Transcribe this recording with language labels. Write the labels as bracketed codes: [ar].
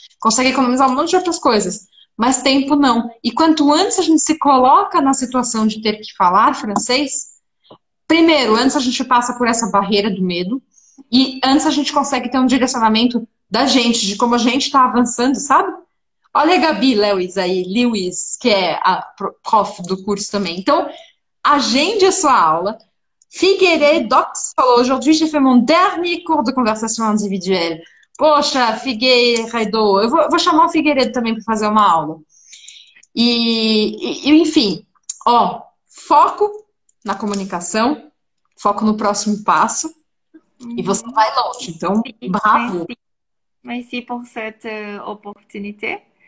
[pt] Consegue economizar um monte de outras coisas, mas tempo não. E quanto antes a gente se coloca na situação de ter que falar francês. Primeiro, antes a gente passa por essa barreira do medo e antes a gente consegue ter um direcionamento da gente, de como a gente está avançando, sabe? Olha a Gabi Lewis aí, Lewis, que é a prof do curso também. Então, agende a sua aula. [fr] Figueiredo Docs falou: aujourd'hui, j'ai fait mon dernier cours de conversation individuelle. [pt] Poxa, Figueiredo, eu vou chamar o Figueiredo também para fazer uma aula. E enfim, ó, foco. Na comunicação, foco no próximo passo e você vai longe. Então, bravo! [fr] Merci pour cette opportunité.